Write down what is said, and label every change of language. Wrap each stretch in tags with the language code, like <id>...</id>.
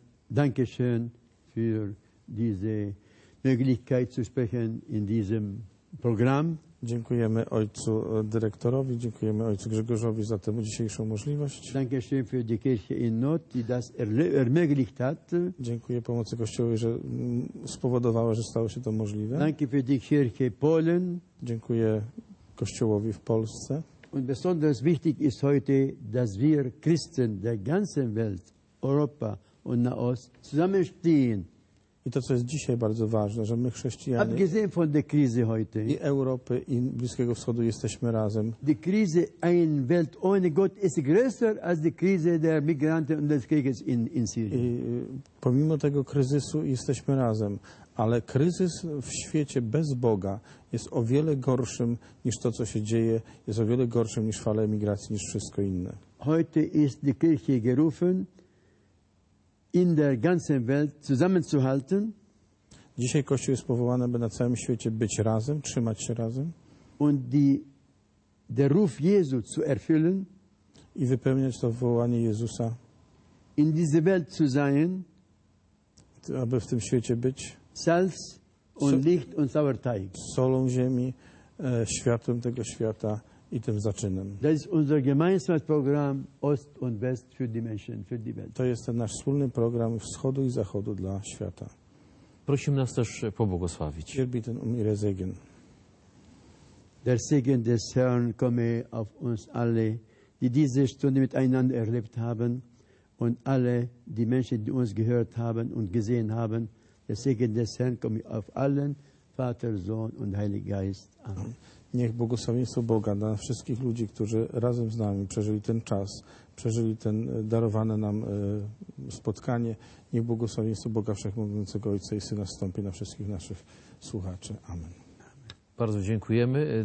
<de>Dankeschön für diese Möglichkeit zu sprechen in diesem Programm.</de> <pl>Dziękujemy ojcu dyrektorowi, dziękujemy ojcu Grzegorzowi za tę dzisiejszą możliwość.</pl> <de>Dankeschön für die Kirche in Not, die das ermöglicht hat.</de> <pl>Dziękuję pomocy Kościoła, że spowodowała, że stało się to możliwe.</pl> <de>Danke für die Kirche Polen.</de> <pl>Dziękuję Kościołowi w Polsce.</pl> <de>Und besonders wichtig ist heute, dass wir Christen der ganzen Welt, Europa und Nahost zusammenstehen.</de> <pl>I to, co jest dzisiaj bardzo ważne, że my chrześcijanie</pl> <de>abgesehen von der Krise heute,</de> <pl>i Europy, i Bliskiego Wschodu jesteśmy razem.</pl> <de>Die Krise in Welt ohne Gott ist größer als die Krise der Migranten und des Krieges in Syrien.</de> <pl>I pomimo tego kryzysu jesteśmy razem, ale kryzys w świecie bez Boga jest o wiele gorszym niż to, co się dzieje, jest o wiele gorszym niż fale emigracji, niż wszystko inne.</pl> <de>Heute ist die Kirche gerufen, in der ganzen Welt zusammenzuhalten.</de> <pl>Dzisiaj Kościół jest powołany, by na całym świecie być razem, trzymać się razem.</pl> <de>Und die, der Ruf Jesu zu erfüllen.</de> <pl>I wypełniać to wołanie Jezusa.</pl> <de>In diese Welt zu sein.</de> <pl>Aby w tym świecie być.</pl> <de>Salz und Licht und Sauerteig.</de> <pl>Solą ziemi, światłem tego świata i tym zaczynem.</pl> <de>Das ist unser gemeinsames Programm Ost und West für die Menschen, für die Welt.</de> <pl>To jest ten nasz wspólny program wschodu i zachodu dla świata. Prosimy nas też pobłogosławić.</pl> <de>Hier bitten um Ihre Segen. Der Segen des Herrn komme auf uns alle, die diese Stunde miteinander erlebt haben und alle die Menschen, die uns gehört haben und gesehen haben. Der Segen des Herrn komme auf allen, Vater, Sohn und Heiliger Geist. Amen.</de> <pl>Niech błogosławieństwo Boga na wszystkich ludzi, którzy razem z nami przeżyli ten czas, przeżyli ten darowane nam spotkanie. Niech błogosławieństwo Boga Wszechmogącego Ojca i Syna zstąpi na wszystkich naszych słuchaczy. Amen. Bardzo dziękujemy.</pl>